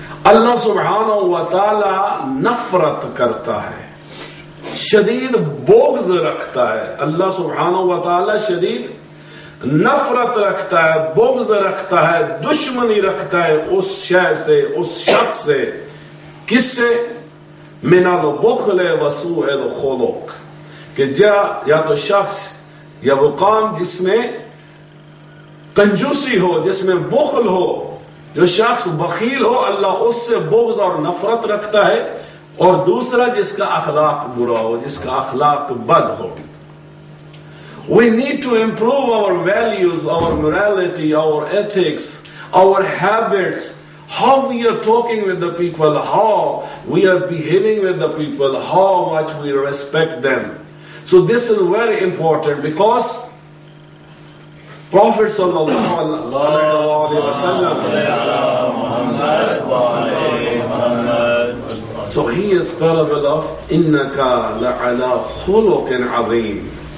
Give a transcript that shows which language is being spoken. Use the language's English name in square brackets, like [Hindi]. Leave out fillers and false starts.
[Urdu] اللہ سبحانہ و تعالی نفرت کرتا ہے, شدید بغض رکھتا ہے. اللہ سبحانہ و تعالی شدید نفرت رکھتا ہے, بغض رکھتا ہے, دشمنی رکھتا ہے اس شے سے, اس شخص سے. کس سے؟ [Arabic] من البخل وسوء الخلق. [Urdu] کہ جا یا تو شخص یا وہ قوم جس میں کنجوسی ہو, جس میں بخل ہو, جو شخص بخیل ہو اللہ اس سے بغض اور نفرت رکھتا ہے. اور دوسرا جس کا اخلاق برا ہو, جس کا اخلاق بد ہو. [English] We need to improve our values, our morality, our ethics, our habits, how we are talking with the people, how we are behaving with the people, how much we respect them. So this is very important, because Prophet sallallahu alaihi wasallam, so he is parable of [Arabic] innaka la ala khuluqin azim.